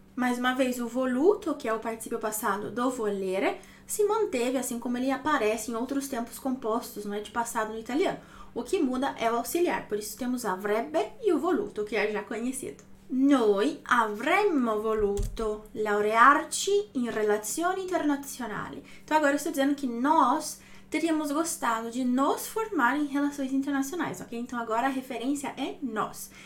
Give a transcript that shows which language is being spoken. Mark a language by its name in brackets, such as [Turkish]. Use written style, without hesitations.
[Portuguese] Mais uma vez, o voluto, que é o participio passado do volere, se manteve assim como ele aparece em outros tempos compostos, não é, de passado no italiano. O que muda é o auxiliar, por isso temos avrebbe e o voluto, que é já conhecido. [Italian] Noi avremmo voluto laurearci in relazioni internazionali. [Portuguese] Então agora eu estou dizendo que nós teríamos gostado de nos formar em relações internacionais, ok? Então agora a referência é nós.